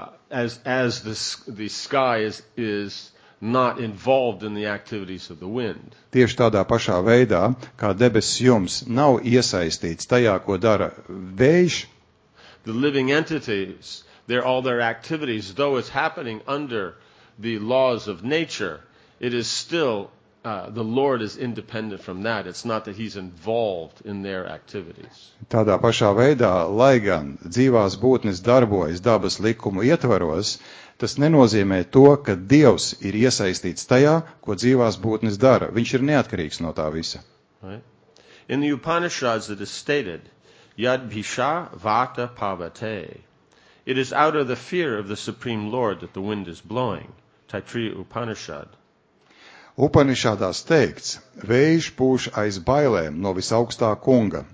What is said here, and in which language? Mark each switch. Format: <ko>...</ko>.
<en>as the sky is not involved in the activities of the wind.</en> <lv>Tieši tādā pašā veidā, kā debesis jums nav iesaistīts tajā, ko dara vējš.</lv> <en>The living entities, their all their activities, though it's happening under the laws of nature, it is still the Lord is independent from that. It's not that he's involved in their activities.</en> <lv>Tādā pašā veidā, lai gan dzīvās būtnes darbojas dabas likumu ietvaros, tas nenozīmē to, ka Dievs ir iesaistīts tajā, ko dzīvās būtnes dara. Viņš ir neatkarīgs no tā visa.</lv> <en>Right. In the Upanishads it is stated,</en> <sa>yad bhisha vata pavate.</sa> <en>It is out of the fear of the Supreme Lord that the wind is blowing. Taittiriya Upanishad.</en> <lv>Upanishadās teikts, vējš pūš aiz bailēm no visaugstā kunga.</lv>